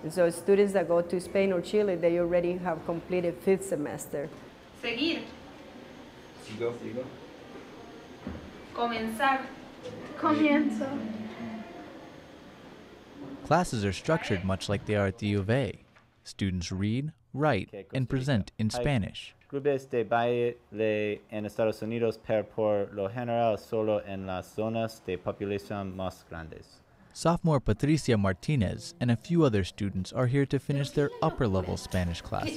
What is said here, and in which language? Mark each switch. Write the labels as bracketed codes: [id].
[en] And so students that go to Spain or Chile, they already have completed fifth semester. [es] Seguir. Sigo, sigo. Comenzar. Comienzo. [en] Classes are structured much like they are at the U of A. Students read, write, and present in Spanish. [es] Clubes de baile en Estados Unidos, pero por lo general solo en las zonas de población más grandes. [en] Sophomore Patricia Martinez and a few other students are here to finish their upper-level Spanish classes.